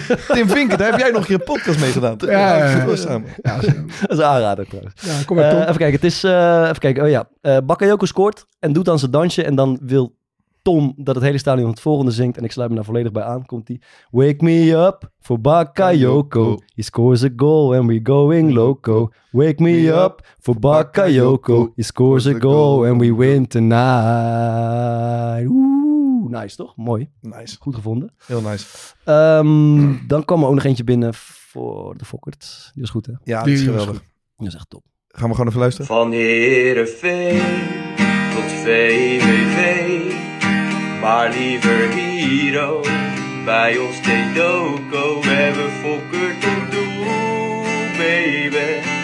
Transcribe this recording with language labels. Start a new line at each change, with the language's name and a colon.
Dutch: Tim Vinken, daar heb jij nog een podcast mee gedaan. Ja. Dat is een aanrader trouwens. Ja, kom maar, Tom. Even kijken, het is... Bakayoko scoort en doet dan zijn dansje en dan wil Tom dat het hele stadion het volgende zingt. En ik sluit me daar volledig bij aan. Komt die.
English: Wake me up for Bakayoko. He scores a goal and we're going loco. Wake me up for Bakayoko. He scores a goal and we win tonight.
Dutch: Oeh, nice toch? Mooi. Nice. Goed gevonden. Heel nice. Dan kwam er ook nog eentje binnen voor de Fokkert. Die was goed, hè? Ja, die is geweldig. Dat is echt top. Gaan we gewoon even luisteren. Van Heerenveen tot VVV. Maar liever Hero, bij ons Tedoco, we hebben Fokkert op doel, baby.